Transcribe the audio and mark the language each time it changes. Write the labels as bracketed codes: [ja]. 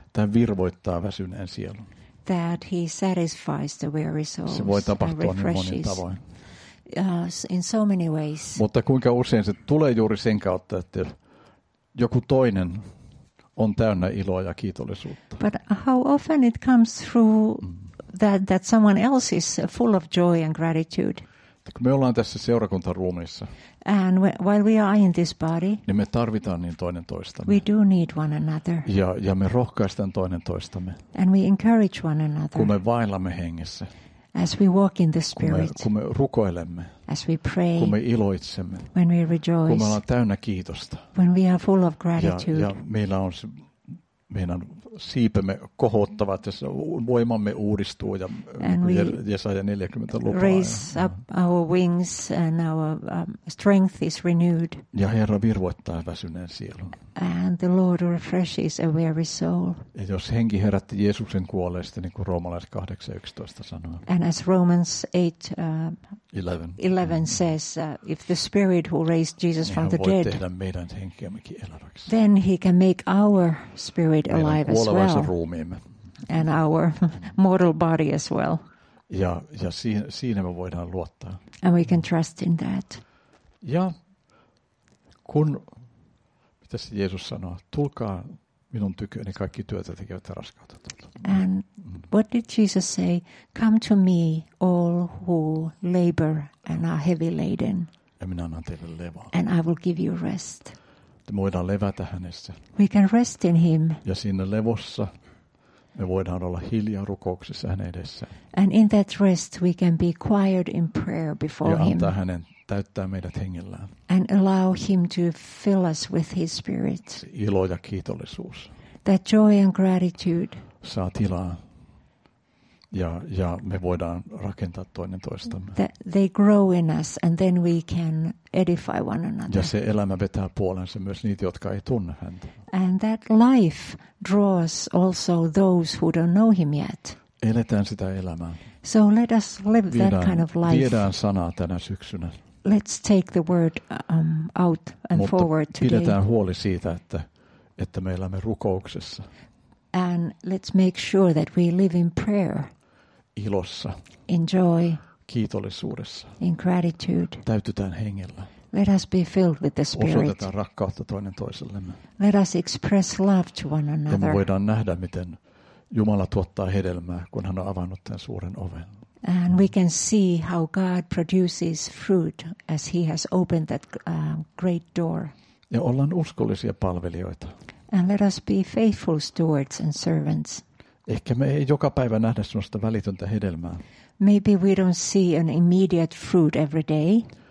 [fi] Tämä virvoittaa väsyneen sielun. [en] That he satisfies the weary souls. [fi] Se voi tapahtua niin monin tavoin. [en] In so many ways. [fi] Mutta kuinka usein se tulee juuri sen kautta, että joku toinen on täynnä iloa ja kiitollisuutta. [en] But how often it comes through that someone else is full of joy and gratitude. [fi] Kun me ollaan tässä seurakuntaruumiissa. [en] And while we are in this body. [fi] Niin me tarvitaan niin toinen toistamme. [en] We do need one another. [fi] Ja me rohkaistaan toinen toistamme. [en] And we encourage one another. [fi] Kun me vaillamme hengessä. [en] As we walk in the spirit. [fi] Kun me rukoilemme. [en] As we pray. [fi] Kun me iloitsemme. [en] When we rejoice. [fi] Kun me ollaan täynnä kiitosta. [en] When we are full of gratitude. [fi] Ja meillä on se, meidän siipemme kohottavat ja voimamme uudistuu ja Jesaja 40 lupaa. [en] Raise up our wings and our strength is renewed. [fi] Ja Herra virvoittaa väsyneen sielun. [en] And the Lord refreshes a weary soul. [fi] Ja jos henki herätti Jeesuksen kuolleista, niin kuin roomalaiskirjeen 8:11 sanoo. [en] And as Romans 8:11 says, if the Spirit who raised Jesus from the dead, [fi] voi tehdä meidän henkeämmekin eläväksi. [en] Then he can make our spirit alive as well. [fi] Kuolevaisen ruumiimme. [en] And our mortal body as well. [fi] Ja siinä me voidaan luottaa. [en] And we can trust in that. [fi] Ja kun tässä Jeesus sanoo, tulkaa minun tyköni kaikki työtä tekevät ja raskautetut. [en] And what did Jesus say? Come to me all who labor and are heavy laden. [fi] Ja minä annan teille levon. [en] And I will give you rest. [fi] Me voidaan levätä hänessä. [en] We can rest in him. [fi] Ja siinä levossa me voidaan olla hiljaa rukouksessa hänen edessä. [en] And in that rest we can be quiet in prayer before him. [fi] Ja antaa hänen täyttää meidät hengellään. [en] And allow him to fill us with his spirit. [fi] Ilo ja kiitollisuus. [en] That joy and gratitude. [fi] Saa tilaa. Ja me voidaan rakentaa toinen toistamme. [en] That they grow in us and then we can edify one another. [fi] Ja se elämä vetää puolensa myös niitä, jotka ei tunne häntä. [en] And that life draws also those who don't know him yet. [fi] Eletään sitä elämää. [en] So let us live that kind of life. [fi] Viedään sanaa tänä syksynä. [en] Let's take the word out and [fi] mutta [en] forward today. [fi] Mutta pidetään huoli siitä, että me elämme rukouksessa. [en] And let's make sure that we live in prayer. [fi] Ilossa. [en] In joy. [fi] Kiitollisuudessa. [en] In gratitude. [fi] Täytytään hengellä. [en] Let us be filled with the spirit. [fi] Osoitetaan rakkautta toinen toisellemme. [en] Let us express love to one another. [fi] Ja me voidaan nähdä, miten Jumala tuottaa hedelmää, kun hän on avannut tämän suuren oven. [en] And we can see how God produces fruit as he has opened that great door. [fi] Ja ollaan uskollisia palvelijoita. [en] And let us be faithful stewards and servants. [fi] Ehkä me ei joka päivä nähdä sellaista välitöntä hedelmää. [en] Maybe we don't see an immediate fruit every day.